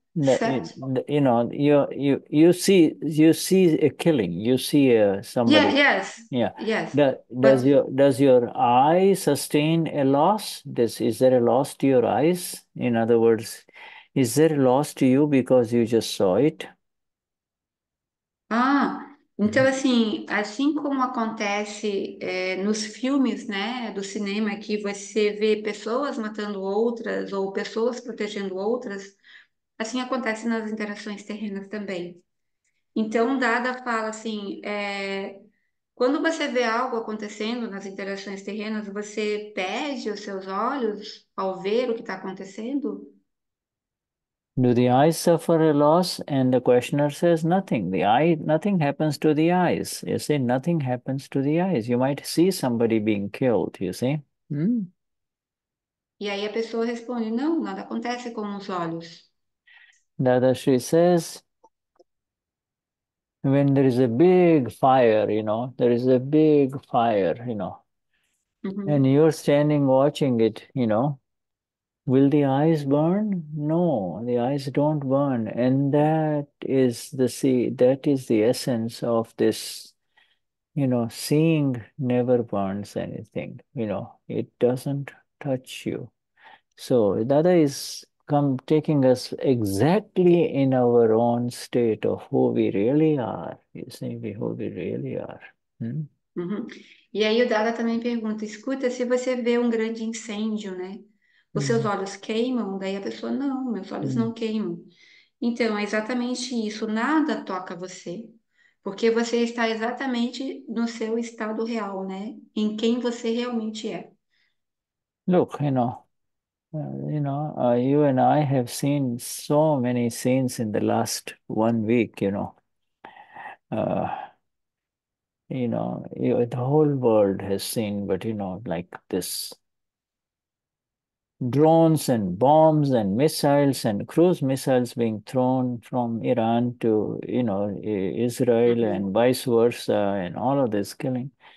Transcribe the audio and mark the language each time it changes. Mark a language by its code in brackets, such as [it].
[en] You see a killing. You see somebody. Yeah. Yes. Yeah. Yes. Does your eye sustain a loss? Is there a loss to your eyes? In other words, is there a loss to you because you just saw it? [pt] Ah, então assim como acontece nos filmes, né, do cinema, que você vê pessoas matando outras ou pessoas protegendo outras, assim acontece nas interações terrenas também. Então, Dada fala assim, quando você vê algo acontecendo nas interações terrenas, você perde os seus olhos ao ver o que está acontecendo? [en] Do the eyes suffer a loss? And the questioner says nothing. Nothing happens to the eyes. You see, nothing happens to the eyes. You might see somebody being killed, you see. [pt] E aí a pessoa responde, não, nada acontece com os olhos. [en] Dada Shri says, when there is a big fire, you know, there is a big fire, you know, and you're standing watching it, you know, will the eyes burn? No, the eyes don't burn. And that is the essence of this, you know, seeing never burns anything, you know, it doesn't touch you. So Dada is come taking us exactly in our own state of who we really are, you see, who we really are. [pt] E aí o Dada também pergunta, escuta, se você vê um grande incêndio, né? Os seus olhos queimam? Daí a pessoa, não, meus olhos não queimam. Então, é exatamente isso, nada toca você, porque você está exatamente no seu estado real, né? Em quem você realmente é. [en] Look, you know, you and I have seen so many scenes in the last 1 week, you know. The whole world has seen, but, you know, like this, drones and bombs and missiles and cruise missiles being thrown from Iran to, you know, Israel and vice versa and all of this killing.